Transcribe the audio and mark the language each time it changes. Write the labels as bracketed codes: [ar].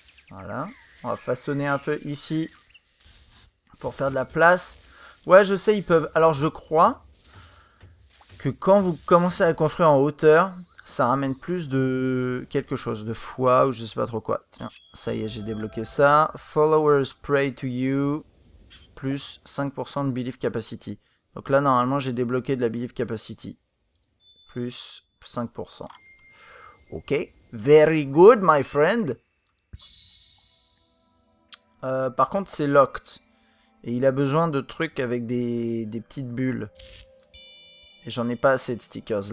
[fr] Voilà. On va façonner un peu ici pour faire de la place. Ouais, je sais, ils peuvent. Alors, je crois que quand vous commencez à construire en hauteur, ça ramène plus de quelque chose, de foi ou je sais pas trop quoi. Tiens, ça y est, j'ai débloqué ça. [en] Followers pray to you, plus 5% de belief capacity. [fr] Donc là, normalement, j'ai débloqué de la belief capacity. [en] Plus 5%. Ok. Very good, my friend. [fr] Par contre, c'est locked. Et il a besoin de trucs avec des petites bulles. Et j'en ai pas assez de stickers.